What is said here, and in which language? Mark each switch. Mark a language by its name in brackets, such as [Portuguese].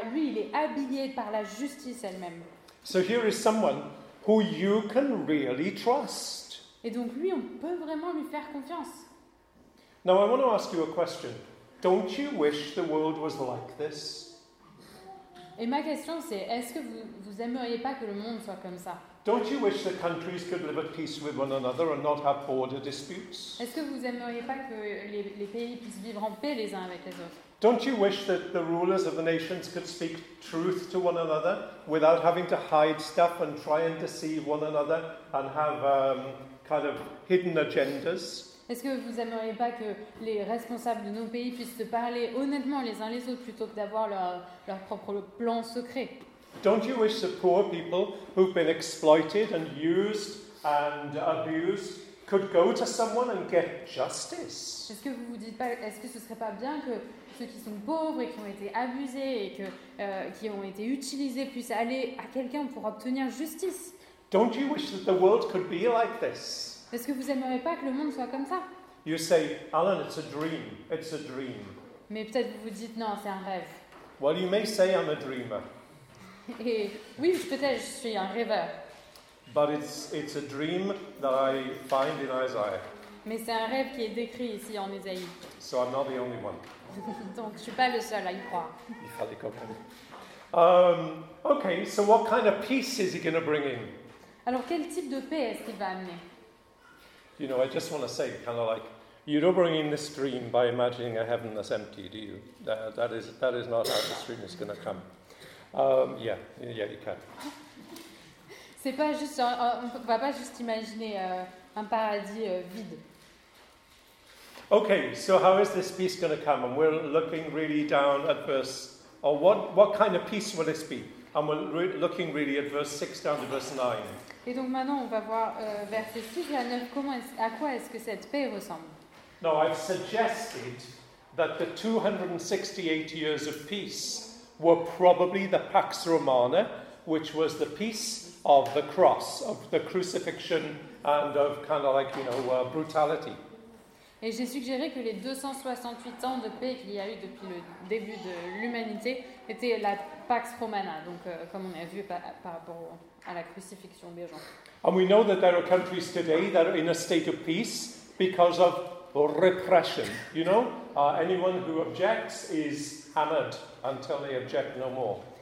[French] Lui, il est habillé par la justice elle-même. [English] So here is someone who you can really trust. [French] Et donc lui, on peut vraiment lui faire confiance. [English] Now I want to ask you a question. Don't you wish the world was like this? [French] Et ma question c'est, est-ce que vous aimeriez pas que le monde soit comme ça? [English] Don't you wish that countries could live at peace with one another and not have border disputes? [French] Est-ce que vous aimeriez pas que les pays puissent vivre en paix les uns avec les autres? [English] Don't you wish that the rulers of the nations could speak truth to one another without having to hide stuff and try and deceive one another and have kind of hidden agendas? [French] Est-ce que vous aimeriez pas que les responsables de nos pays puissent se parler honnêtement les uns les autres plutôt que d'avoir leur propre plan secret? [English] Don't you wish that poor people who've been exploited and used and abused could go to someone and get justice? [French] Est-ce que vous vous dites pas, est-ce que ce serait pas bien que ceux qui sont pauvres et qui ont été abusés et qui ont été utilisés puissent aller à quelqu'un pour obtenir justice? [English] Don't you wish that the world could be like this? [French] Est-ce que vous aimeriez pas que le monde soit comme ça? [English] You say, Alan, it's a dream. It's a dream. [French] Mais peut-être vous vous dites, non, c'est un rêve. [English] Well, you may say I'm a dreamer. [French] Et oui, peut-être je suis un rêveur. [English] But it's a dream that I find in Isaiah. [French] Mais c'est un rêve qui est décrit ici en Ésaïe. [English] So I'm not the only one. [French] Donc je suis pas le seul à y croire. Il fallait comprendre. [English] Okay, so what kind of peace is he going to bring in? [French] Alors quel type de paix est-ce qu'il va amener? [English] You know, I just want to say, kind of like, you don't bring in this dream by imagining a heaven that's empty, do you? That is not how this dream is going to come. Yeah, you can. [French] C'est pas juste, on va pas juste imaginer un paradis vide. [English] Okay, so how is this peace going to come? And we're looking really down at verse, or what kind of peace will this be? And we're looking really at verse 6 down to verse 9. [French] Et donc maintenant, on va voir versets 6 à 9, à quoi est-ce que cette paix ressemble? [English] Now, I've suggested that the 268 years of peace were probably the Pax Romana, which was the peace of the cross, of the crucifixion, and of kind of like, you know, brutality. [French] Et j'ai suggéré que les 268 ans de paix qu'il y a eu depuis le début de l'humanité étaient la Pax Romana, donc comme on a vu par rapport à la crucifixion des gens. [English] And we know that there are countries today that are in a state of peace because of repression. You know, anyone who objects is hammered until they object no more.